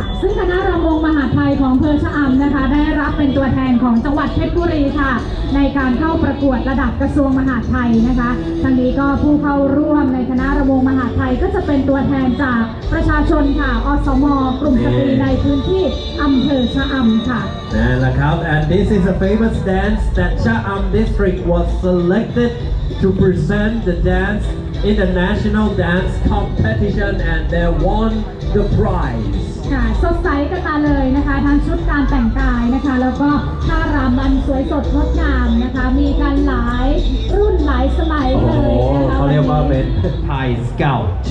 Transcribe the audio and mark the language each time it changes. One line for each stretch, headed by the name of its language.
Thai: ซึ่งคณะรำวงมหาไทยของอำเภอชะอำนะคะได้รับเป็นตัวแทนของจังหวัดเพชรบุรีค่ะในการเข้าประกวดระดับกระทรวงมหาไทยนะคะทั้งนี้ก็ผู้เข้าร่วมในคณะรำวงมหาไทยก็จะเป็นตัวแทนจากประชาชนค่ะอสม. กลุ่มสตรีในพื้นที่อำเภอชะอำค่ะ
English: แน่ละครับ and this is a famous dance that Chà Âm district was selected to present the dance in the national dance competition and they won the prize
Thai: ค่ะสดใสกันมาเลยนะคะทั้งชุดการแต่งกายนะคะแล้วก็ท่ารำมันสวยสดงดงามนะคะมีกันหลายรุ่นหลายสมัยเลยนะคะ เขาเรียกว่าเป็น Thai Scout